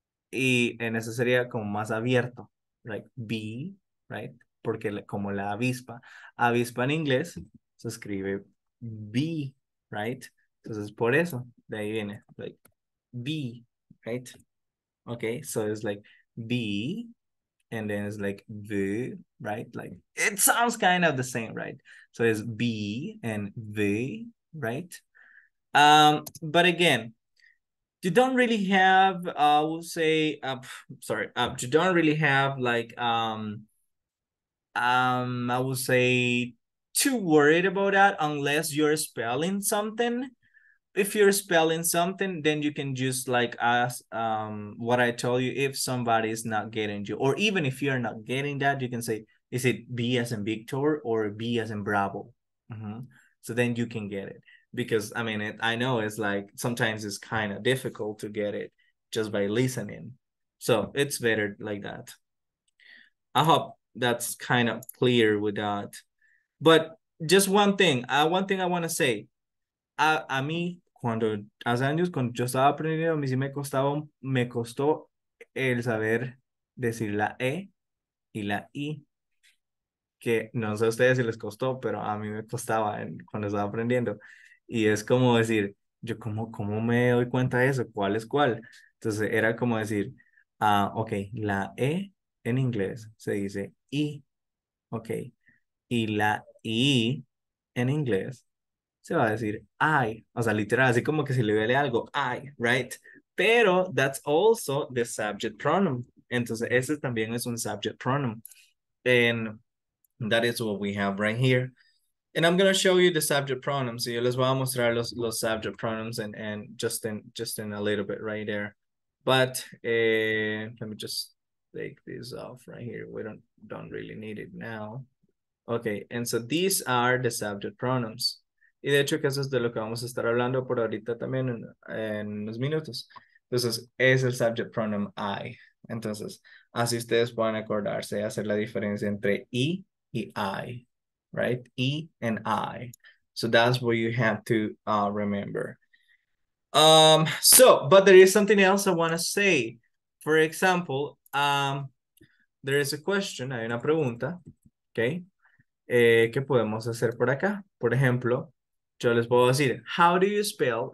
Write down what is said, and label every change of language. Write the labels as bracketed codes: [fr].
[es] Y en eso sería como más abierto, [en] like B, right? [es] Porque como la avispa, avispa en inglés se escribe B, right? Entonces por eso, de ahí viene, [en] like B, right? Okay, so it's like B, and then it's like V, right? Like it sounds kind of the same, right? So it's B and V, right? But again, you don't really have, I will say, you don't really have like, I will say too worried about that unless you're spelling something. If you're spelling something, then you can just like ask what I told you if somebody is not getting you. Or even if you're not getting that, you can say, is it B as in Victor or B as in Bravo? Mm-hmm. So then you can get it. Because, I mean, I know it's like sometimes it's kind of difficult to get it just by listening. So it's better like that. I hope that's kind of clear with that. But just one thing I want to say. [es] A mí, cuando hace años, cuando yo estaba aprendiendo, a mí sí me costó el saber decir la E y la I. Que no sé a ustedes si les costó, pero a mí me costaba cuando estaba aprendiendo. Y es como decir, yo cómo me doy cuenta de eso, cuál es cuál. Entonces era como decir, okay, la E en inglés se dice I, okay. Y la I en inglés se va a decir I. O sea, literal, así como que si le duele algo, I, right? Pero [en] that's also the subject pronoun. [es] Entonces ese también es un subject pronoun. [en] And that is what we have right here. And I'm going to show you the subject pronouns. [es] Yo les voy a mostrar los subject pronouns [en] and just in a little bit right there. But let me just take this off right here. We don't really need it now. Okay, and so these are the subject pronouns. [es] Y de hecho, que eso es de lo que vamos a estar hablando por ahorita también en unos minutos. Entonces, es el subject pronoun I. Entonces, así ustedes pueden acordarse de hacer la diferencia entre E y I, right? [en] E and I. So that's what you have to remember. But there is something else I want to say. For example, there is a question, [es] hay una pregunta, [en] okay? [es] ¿Qué podemos hacer por acá? Por ejemplo, yo les puedo decir, [en] how do you spell?